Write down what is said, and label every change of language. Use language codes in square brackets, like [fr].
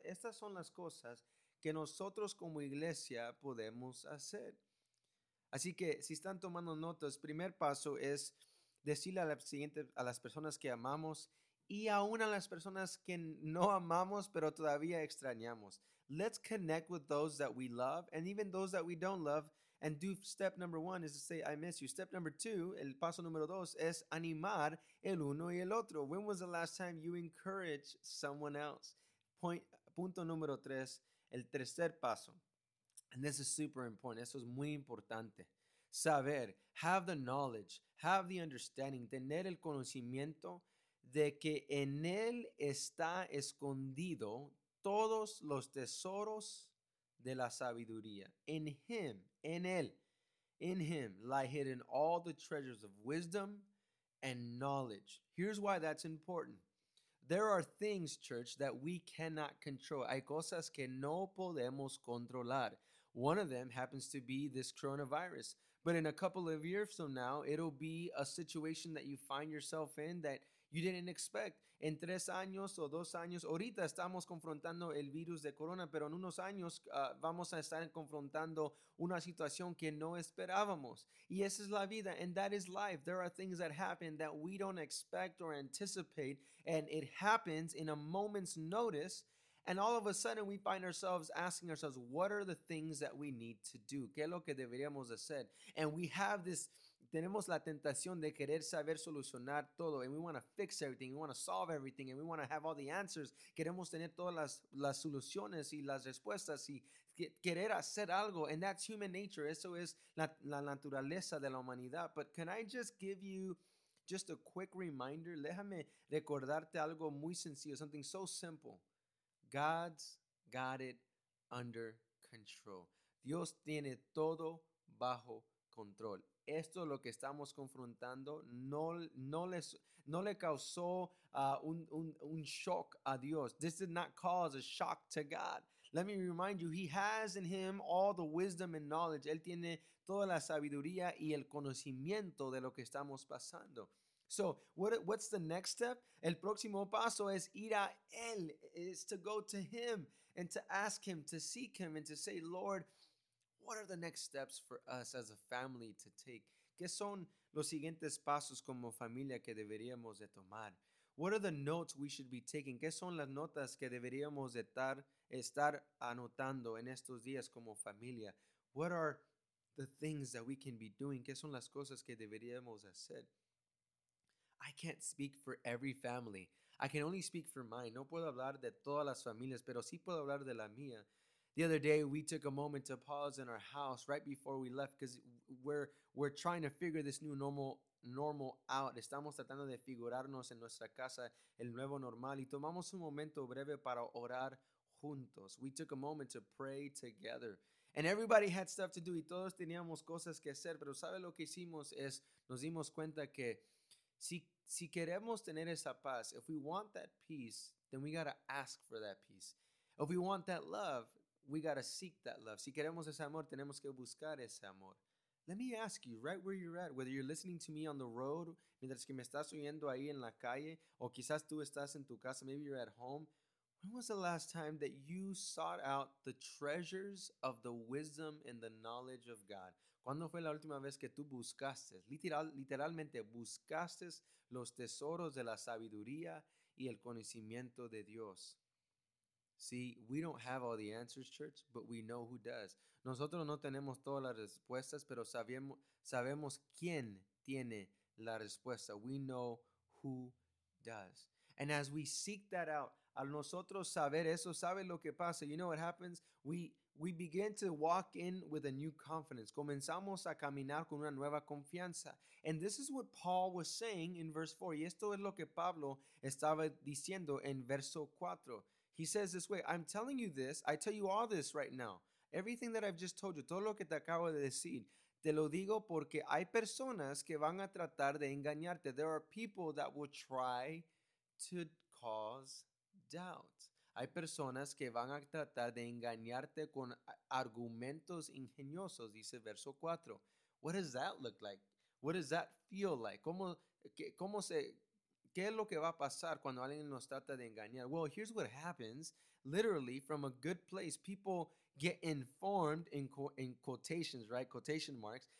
[es] Estas son las cosas que nosotros como iglesia podemos hacer. Así que si están tomando notas, primer paso es decirle a la siguiente, a las personas que amamos y aún a las personas que no amamos pero todavía extrañamos. [en] Let's connect with those that we love and even those that we don't love and do step number one is to say I miss you. Step number two, [es] el paso número dos, es animar el uno y el otro. [en] When was the last time you encouraged someone else? [es] Punto número tres, el tercer paso. [en] And this is super important. [es] Esto es muy importante. Saber, [en] have the knowledge, have the understanding, [es] tener el conocimiento de que en él está escondido todos los tesoros de la sabiduría. [en] In him, [es] en él, [en] in him lie hidden all the treasures of wisdom and knowledge. Here's why that's important. There are things, church, that we cannot control. [es] Hay cosas que no podemos controlar. [en] One of them happens to be this coronavirus. But in a couple of years from now, it'll be a situation that you find yourself in that you didn't expect. [es] En tres años o dos años, ahorita estamos confrontando el virus de corona, pero en unos años vamos a estar confrontando una situación que no esperábamos. Y esa es la vida, [en] and that is life. There are things that happen that we don't expect or anticipate, and it happens in a moment's notice. And all of a sudden, we find ourselves asking ourselves, what are the things that we need to do? [es] ¿Qué es lo que deberíamos hacer? [en] And we have this, [es] tenemos la tentación de querer saber solucionar todo. [en] And we want to fix everything. We want to solve everything. And we want to have all the answers. [es] Queremos tener todas las soluciones y las respuestas y querer hacer algo. [en] And that's human nature. [es] Eso es la naturaleza de la humanidad. [en] But can I just give you just a quick reminder? [es] Déjame recordarte algo muy sencillo, [en] something so simple. God's got it under control. [es] Dios tiene todo bajo control. Esto es lo que estamos confrontando. No le causó un shock a Dios. [en] This did not cause a shock to God. Let me remind you, he has in him all the wisdom and knowledge. [es] Él tiene toda la sabiduría y el conocimiento de lo que estamos pasando. [en] So, what's the next step? [es] El próximo paso es ir a él, [en] is to go to him and to ask him, to seek him and to say, Lord, what are the next steps for us as a family to take? [es] ¿Qué son los siguientes pasos como familia que deberíamos de tomar? [en] What are the notes we should be taking? [es] ¿Qué son las notas que deberíamos de estar anotando en estos días como familia? [en] What are the things that we can be doing? [es] ¿Qué son las cosas que deberíamos hacer? [en] I can't speak for every family. I can only speak for mine. [es] No puedo hablar de todas las familias, pero sí puedo hablar de la mía. [en] The other day, we took a moment to pause in our house right before we left because we're trying to figure this new normal out. [es] Estamos tratando de figurarnos en nuestra casa el nuevo normal y tomamos un momento breve para orar juntos. [en] We took a moment to pray together. And everybody had stuff to do [es] y todos teníamos cosas que hacer, pero ¿sabe lo que hicimos? Es nos dimos cuenta que Si queremos tener esa paz, [en] if we want that peace, then we got to ask for that peace. If we want that love, we got to seek that love. [es] Si queremos ese amor, tenemos que buscar ese amor. [en] Let me ask you, right where you're at, whether you're listening to me on the road, [es] mientras que me estás oyendo ahí en la calle, o quizás tú estás en tu casa, [en] maybe you're at home, when was the last time that you sought out the treasures of the wisdom and the knowledge of God? [es] ¿Cuándo fue la última vez que tú buscaste, literalmente buscaste los tesoros de la sabiduría y el conocimiento de Dios? [en] See, we don't have all the answers, church, but we know who does. [es] Nosotros no tenemos todas las respuestas, pero sabemos quién tiene la respuesta. [en] We know who does. And as we seek that out, [es] al nosotros saber eso, ¿sabe lo que pasa? [en] You know what happens? We begin to walk in with a new confidence. [es] Comenzamos a caminar con una nueva confianza. [en] And this is what Paul was saying in verse 4. [es] Y esto es lo que Pablo estaba diciendo en verso 4. [en] He says this way, I'm telling you this, I tell you all this right now. Everything that I've just told you, [es] todo lo que te acabo de decir, Te lo digo porque hay personas que van a tratar de engañarte. [en] There are people that will try to cause doubt. [es] Hay personas que van a tratar de engañarte con argumentos ingeniosos, dice verso 4. [en] What does that look like? What does that feel like? [es] ¿Qué es lo que va a pasar cuando alguien nos trata de engañar? [en] Well, here's what happens. Literally, from a good place, people get informed in quotations, right? Quotation marks.